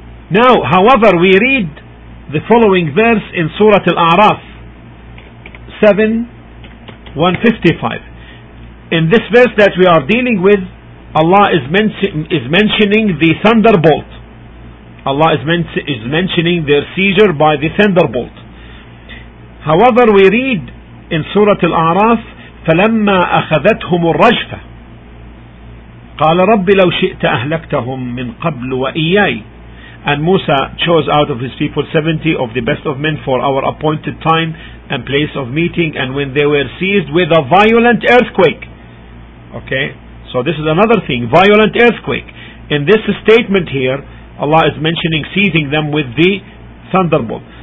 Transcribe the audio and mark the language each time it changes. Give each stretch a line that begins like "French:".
English: Now, however, we read the following verse in Surah Al-A'raf 7:155. In this verse that we are dealing with, Allah is mentioning the thunderbolt. Allah is mentioning their seizure by the thunderbolt. However, we read in Surah Al-A'raf,
Arabic: فَلَمَّا أَخَذَتْهُمُ الرَّجْفَةِ قَالَ رَبِّ لَوْ شِئْتَ أَهْلَكْتَهُمْ مِنْ قَبْلُ وَإِيَّايِ.
English: And Musa chose out of his people 70 of the best of men for our appointed time and place of meeting, and when they were seized with a violent earthquake. Okay, so this is another thing, violent earthquake. In this statement here, Allah is mentioning seizing them with the thunderbolt.